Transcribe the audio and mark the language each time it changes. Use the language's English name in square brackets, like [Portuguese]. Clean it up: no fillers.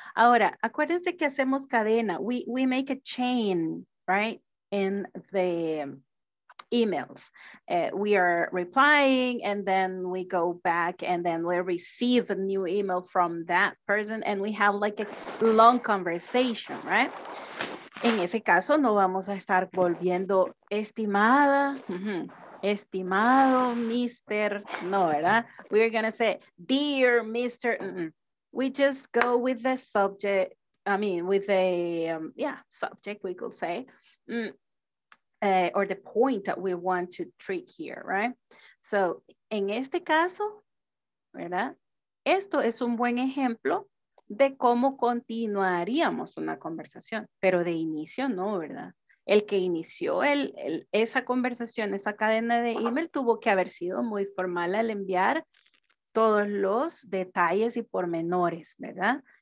[Spanish] Ahora, acuérdense que hacemos cadena. [English] We make a chain, right? In the emails. We are replying and then we go back and then we receive a new email from that person and we have like a long conversation, right? [Spanish] En ese caso, no vamos a estar volviendo estimada, estimado Mr. No, ¿verdad? [English] We are going to say, dear Mr. We just go with the subject, I mean, with the, subject, we could say, or the point that we want to treat here, right? [Spanish] So, en este caso, ¿verdad? Esto es un buen ejemplo de cómo continuaríamos una conversación, pero de inicio no, ¿verdad? El que inició esa conversación, esa cadena de email, tuvo que haber sido muy formal al enviar todos los detalles y pormenores, ¿verdad?